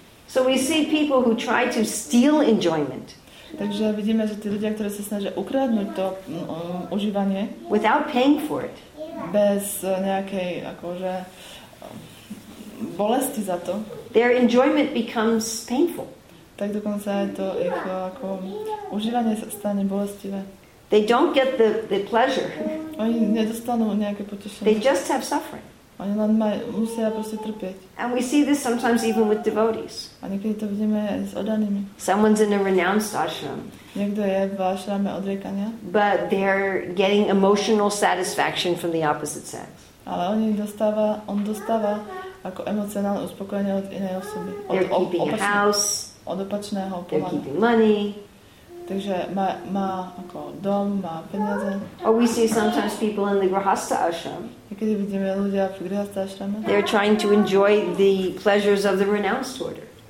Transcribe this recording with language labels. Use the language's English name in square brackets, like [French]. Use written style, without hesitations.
[English] So we see people who try to steal enjoyment. [Slovak] Takže vidíme, že tí ľudia, ktorí sa snažia ukradnúť to užívanie [English] without paying for it. [Slovak] Bez nejakej akože bolesti za to. [English] Their enjoyment becomes painful. [Slovak] Tak dokonca aj to ich ako užívanie sa stane bolestivé. [English] They don't get the pleasure. [Slovak] Oni nedostanú nejaké potešenie. [English] They just have suffering. [Slovak] Oni len musia proste trpieť. [English] And we see this sometimes even with devotees. [Slovak] A niekedy to vidíme aj s oddanými. [English] Someone's in a renounced ashram. [Slovak] Niekto je v ašrame odriekania. [English] But they're getting emotional satisfaction from the opposite sex. [Slovak] Ale on dostáva ako emocionálne uspokojenie od inej osoby. [English] They're keeping a house. [Slovak] Od opačného pohľadu. [English] They're keeping money. [Slovak] Takže má ako dom, má peniaze. [English] Or we see sometimes people in the grihastha ashram. [Slovak] Niekedy vidíme ľudia v grihastha ashrame. [English] They're trying to enjoy the pleasures of the renounced order.